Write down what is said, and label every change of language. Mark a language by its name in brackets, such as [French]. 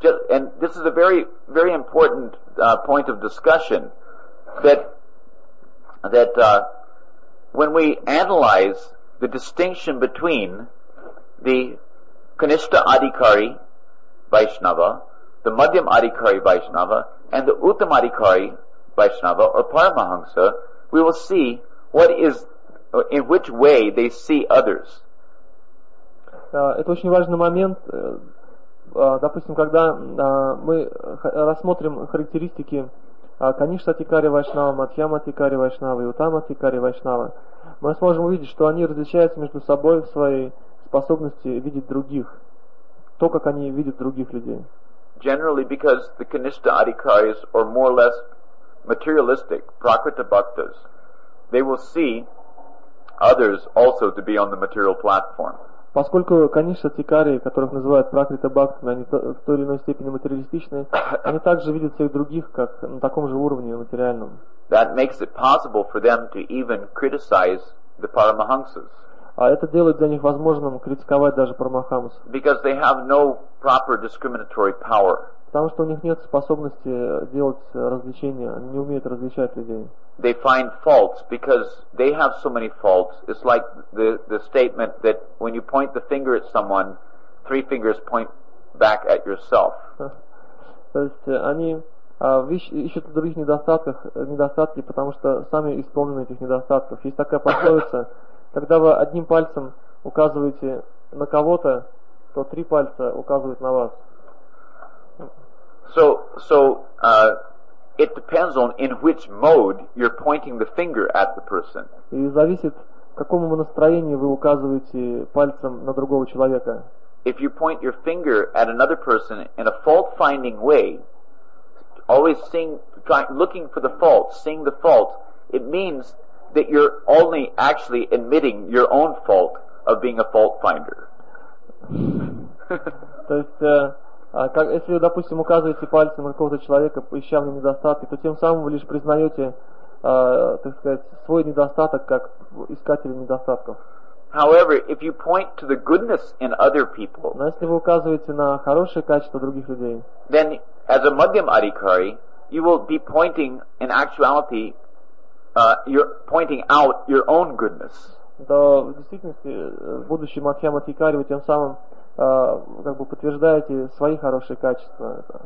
[English] And this is a very, very important point of discussion that when we analyze the distinction between the Kanishta Adhikari Vaishnava, the Madhyam Adhikari Vaishnava, and the Uttam Adhikari Vaishnava or Paramahamsa, we will see what is, in which way they see others. [Russian] Это очень важный момент. Допустим, когда мы рассмотрим характеристики Каништа Тикари Вайшнава, Матхьяма Тикари Вайшнава и Утама Тикари Вайшнава, мы сможем увидеть, что они различаются между собой в своей способности видеть других, то, как они видят других людей. [English] Generally, because the Kanishta Adhikaris are more or less materialistic, Prakriti Bhaktas, they will see others also to be on the material platform. [Russian] Поскольку Каништа Тикари, которых называют Пракрита Бхактами, они в той или иной степени материалистичны, они также видят всех других как на таком же уровне материальном. [English] That makes it possible for them to even criticize the Paramahamsas. [Russian] А это делает для них возможным критиковать даже Парамахамс. [English] Because they have no proper discriminatory power. [Russian] Потому что у них нет способности делать различения, они не умеют различать людей. [English] They find faults because they have so many faults. It's like the statement that when you point the finger at someone, three fingers point back at yourself. [Russian] То есть они ищут в других недостатках недостатки, потому что сами исполнены этих недостатков. Есть такая пословица: когда вы одним пальцем указываете на кого-то, то три пальца указывают на вас. [English] So it depends on in which mode you're pointing the finger at the person. [Russian] И зависит, в каком вы настроении вы указываете пальцем на другого человека. [English] If you point your finger at another person in a fault-finding way, always looking for the fault, seeing the fault, it means that you're only actually admitting your own fault of being a fault finder. [Russian] То есть если вы, допустим, указываете пальцем на какого-то человека, ища в нем недостатки, то тем самым вы лишь признаете, так сказать, свой недостаток как искателя недостатков. [English] However, if you point to the goodness in other people, [Russian] но если вы указываете на хорошие качества других людей, [English] then as a Madhyam Adhikari, you will be pointing in actuality, you're pointing out your own goodness. [Russian] То в действительности, будучи Мадхьяма Адхикари, вы тем самым как бы подтверждаете свои хорошие качества.